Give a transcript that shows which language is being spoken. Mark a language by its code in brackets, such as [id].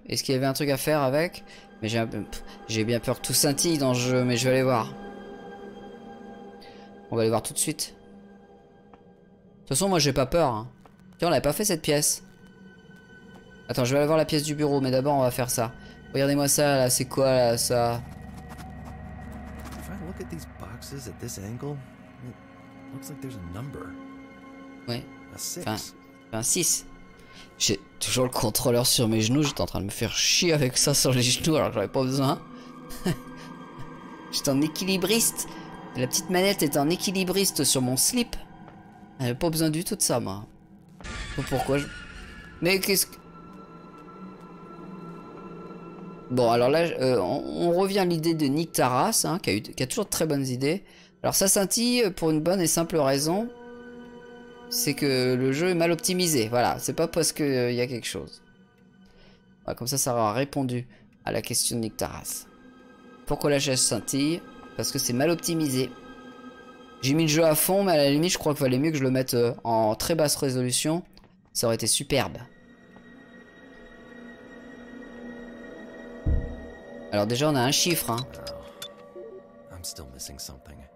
[fr] Est-ce qu'il y avait un truc à faire avec? Mais j'ai bien peur que tout scintille dans le jeu, mais je vais aller voir. On va aller voir tout de suite. De toute façon, moi, j'ai pas peur, hein. Tiens, on l'avait pas fait cette pièce. Attends, je vais aller voir la pièce du bureau, mais d'abord on va faire ça. Regardez-moi ça là, c'est quoi là ça? [en] If I look at these boxes at this angle, it looks like there's a number. [fr] Ouais. Enfin, 6. J'ai toujours le contrôleur sur mes genoux, j'étais en train de me faire chier avec ça sur les genoux alors que j'avais pas besoin. J'étais en équilibriste. La petite manette était en équilibriste sur mon slip. J'avais pas besoin du tout de ça, moi. Pourquoi je... Mais qu'est-ce que... Bon, alors là, on revient à l'idée de Nick Taras, hein, qui a toujours de très bonnes idées. Alors ça scintille pour une bonne et simple raison. C'est que le jeu est mal optimisé. Voilà, c'est pas parce qu'il y a quelque chose. Voilà, comme ça, ça aura répondu à la question de Nick Taras. Pourquoi la chaise scintille? Parce que c'est mal optimisé. J'ai mis le jeu à fond, mais à la limite, je crois qu'il valait mieux que je le mette en très basse résolution. Ça aurait été superbe. Alors déjà, on a un chiffre. Hein. [en] Oh, I'm still missing something.